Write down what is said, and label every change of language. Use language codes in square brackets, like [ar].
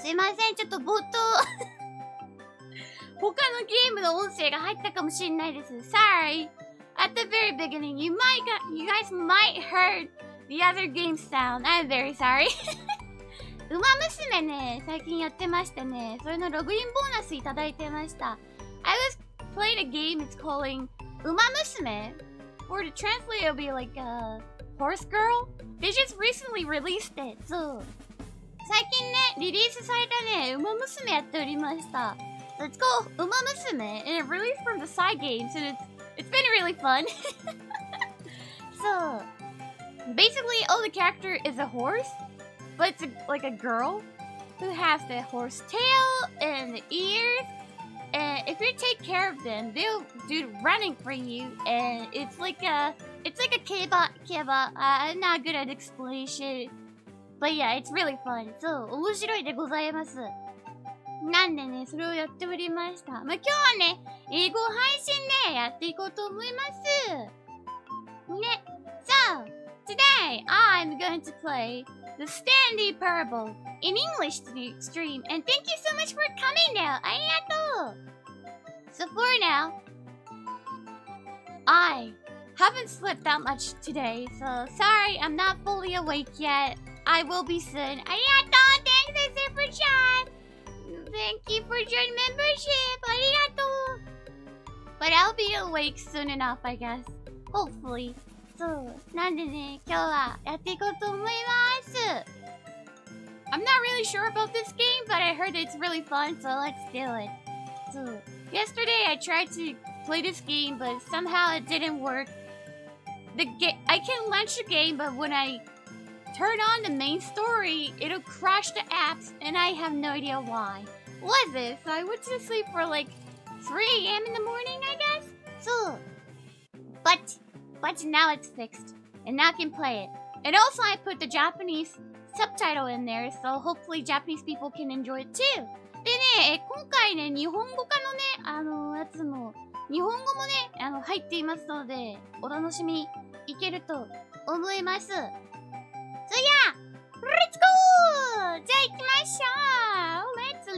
[ja] すいません、ちょっと冒頭他のゲームの音声が入ったかもしれないです。 [en] Sorry! At the very beginning, you guys might heard the other game sound. I'm very sorry. [ja] ウマ娘ね、最近やってましてね、それのログインボーナスいただいてました。 [en] I was playing a game, it's calling ウマ娘。 Or to translate, it'll be like a horse girl. They just recently released it. So, [ja] 最近ね、リリースされたね、ウマ娘やっておりました。 [en] Let's go, ウマ娘。 And it released from the side games, and it's been really fun. So, basically, all the character is a horse, but it's like a girl who has the horse tail and the ears. And if you take care of them, they'll do running for you. And it's like a keba. I'm not good at explanation. But yeah, it's really fun. So, [ja] 面白いでございます。なんでね、それをやっておりました。まあ、今日はね、英語配信ね、やっていこうと思います。ね。 [en] So, today, I'm going to play the Stanley Parable in English stream. And thank you so much for coming now. [ja] ありがとう。 [en] So for now, I haven't slept that much today, so sorry, I'm not fully awake yet. I will be soon. [ja] Arigato! [en] Thanks for super chat! Thank you for joining membership! Arigato! But I'll be awake soon enough, I guess. Hopefully. So, [ja] なんでね、今日はやっていこうと思います! [en] I'm not really sure about this game, but I heard it's really fun, so let's do it. So,Yesterday, I tried to play this game, but somehow it didn't work. I can launch the game, but when I turn on the main story, it'll crash the apps, and I have no idea why. Was it? So I went to sleep for like 3 a.m. in the morning, I guess? So, but now it's fixed, and now I can play it. And also, I put the Japanese subtitle in there, so hopefully Japanese people can enjoy it too. [ja] でね、今回ね、日本語化のね、やつも、日本語もね、入っていますので、お楽しみいけると思います。そりゃ、 [en] レッツゴー! [ja] じゃあ行きましょう!